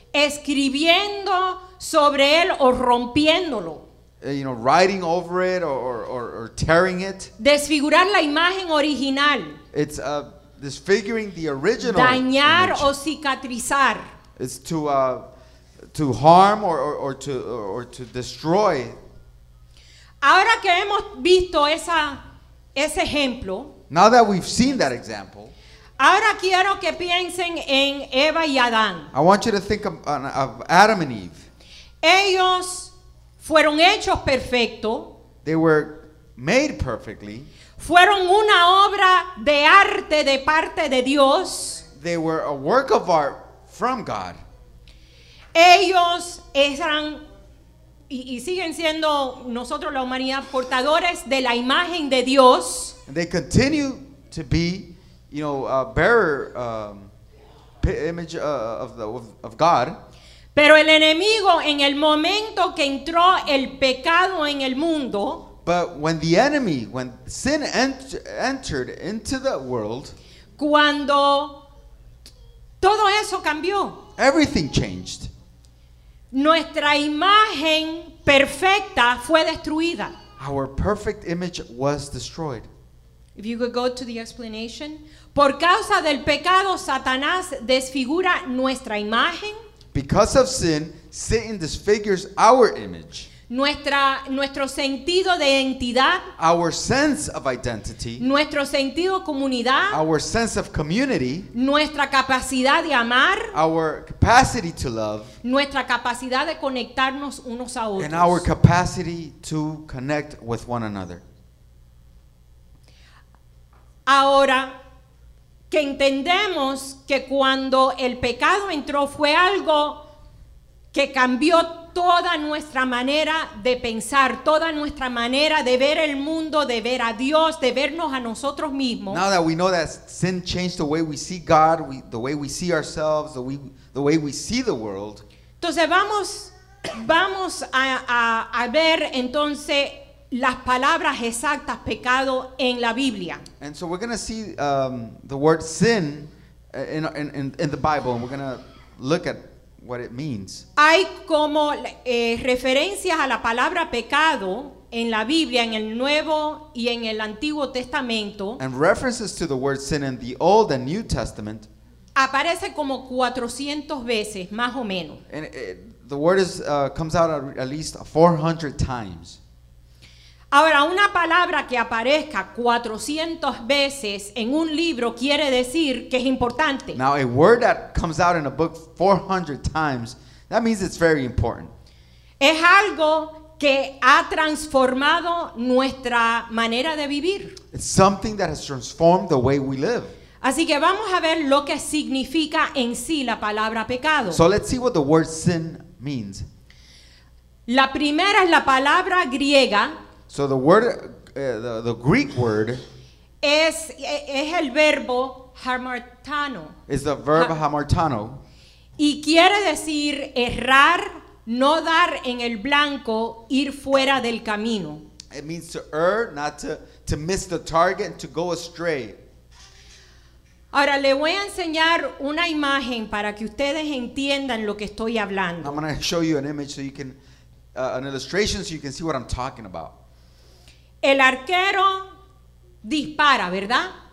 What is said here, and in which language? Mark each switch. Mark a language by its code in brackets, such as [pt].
[es] Escribiendo sobre él o rompiéndolo. [en] You know, writing over it or tearing it. [es] Desfigurar la imagen original. [en] It's disfiguring the original. [es] Dañar o cicatrizar. [en] It's to harm or to destroy. [es] Ahora que hemos visto ese ejemplo. [en] Now that we've seen that example. [es] Ahora quiero que piensen en Eva y Adán. [en] I want you to think of Adam and Eve. [es] Ellos fueron hechos perfecto. [en] They were made perfectly. [es] Fueron una obra de arte de parte de Dios. [en] They were a work of art from God. [es] Ellos eran y siguen siendo nosotros la humanidad portadores de la imagen de Dios. [en] And they continue to be, you know, a bearer image of God. [es] Pero el enemigo en el momento que entró el pecado en el mundo, [en] But when the enemy, when sin entered into the world, [es] cuando todo eso cambió, [en] everything changed. [es] Nuestra imagen perfecta fue destruida. [en] Our perfect image was destroyed. If you could go to the explanation. [es] Por causa del pecado, Satanás desfigura nuestra imagen. [en] Because of sin, Satan disfigures our image. [es] Nuestro sentido de identidad. [en] Our sense of identity. [es] Nuestro sentido comunidad. [en] Our sense of community. [es] Nuestra capacidad de amar. [en] Our capacity to love. [es] Nuestra capacidad de conectarnos unos a otros. [en] And our capacity to connect with one another. [es] Ahora que entendemos que cuando el pecado entró fue algo que cambió toda nuestra manera de pensar, toda nuestra manera de ver el mundo, de ver a Dios, de vernos a nosotros mismos. [en] Now that we know that sin changed the way we see God, the way we see ourselves, the way we see the world. [es] Entonces vamos a ver entonces las palabras exactas pecado en la Biblia. [en] And so we're going to see the word sin in the Bible, and we're going to look at what it means. [es] Hay como referencias a la palabra pecado en la Biblia, en el Nuevo y en el Antiguo Testamento. [en] And references to the word sin in the Old and New Testament. [es] Aparece como 400 veces, más o menos. [en] And the word comes out at least 400 times. [es] Ahora, una palabra que aparezca 400 veces en un libro quiere decir que es importante. [en] Now, a word that comes out in a book 400 times, that means it's very important. [es] Es algo que ha transformado nuestra manera de vivir. [en] It's something that has transformed the way we live. [es] Así que vamos a ver lo que significa en sí la palabra pecado. [en] So let's see what the word sin means. [es] La primera es la palabra griega. [en] So the word, the Greek word [es] es el verbo hamartano. [en] Is the verb hamartano. [es] Y quiere decir errar, no dar en el blanco, ir fuera del camino. [en] It means to err, not to miss the target, to go astray. [es] Ahora le voy a enseñar una imagen para que ustedes entiendan lo que estoy hablando. [en] I'm going to show you an image so you can, an illustration so you can see what I'm talking about. [es] El arquero dispara, ¿verdad?